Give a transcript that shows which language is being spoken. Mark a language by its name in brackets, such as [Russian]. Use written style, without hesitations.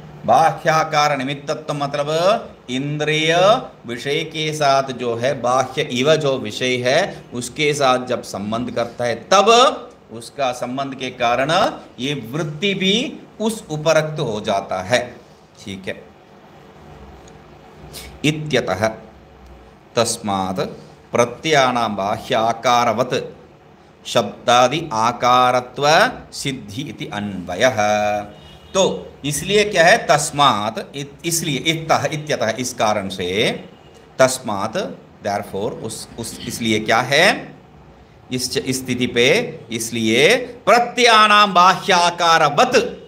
[Hindi] बाह्याकार निमित्तत्व मतलब इंद्रिय विषय के साथ जो है बाह्य इव जो विषय है उसके साथ जब संबंध करता है तब उसका संबंध के कारण ये वृत्ति भी उस उपरक्त हो जाता है। ठीक है, [Sanskrit] इत्यतः तस्मात् प्रत्यानां बाह्याकारवत् शब्दादि आकारत्व सिद्धि इति अन्वयः। [Hindi] तो इसलिए क्या है, तस्मात् इसलिए इत्तः इत्यतः इस कारण से, तस्मात् [English] therefore [Hindi] उस इसलिए क्या है, इस स्थिति पे इसलिए [Sanskrit] प्रत्यानां बाह्याकारवत्